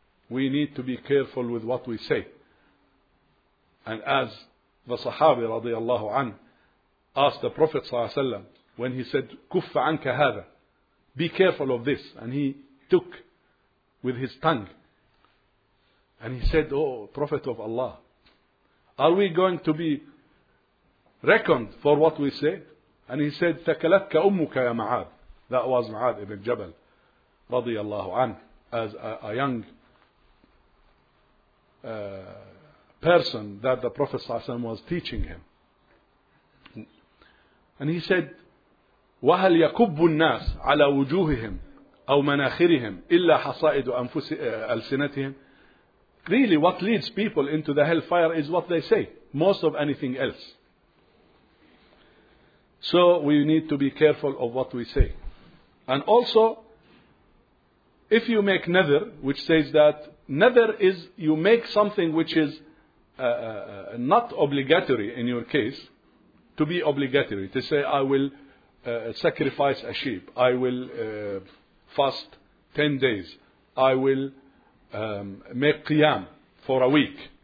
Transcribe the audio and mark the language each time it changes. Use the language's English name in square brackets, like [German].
[English] We need to be careful with what we say. And as the Sahabi radiallahu anhu asked the Prophet ﷺ, when he said, [Arabic] كف عنك هذا, [English] be careful of this. And he took with his tongue. And he said, oh, Prophet of Allah, are we going to be reckoned for what we say? And he said, [Arabic] ثكلتك أمك يا معاذ. [English] That was Ma'ad ibn Jabal, [Arabic] رضي الله عنه, [English] as a young person that the Prophet [Arabic] صلى الله عليه وسلم [English] was teaching him. And he said, [Arabic] وَهَلْ يَكُبُّ النَّاسِ عَلَى وُجُوهِهِمْ أَوْ مَنَاخِرِهِمْ إِلَّا حَصَائِدُ أَلْسِنَتِهِمْ. [English] Really, what leads people into the hellfire is what they say, most of anything else. So we need to be careful of what we say. And also, if you make nadhr, which says that nadhr is, you make something which is not obligatory in your case, to be obligatory, to say, I will sacrifice a sheep, I will fast 10 days, I will make qiyam for a week.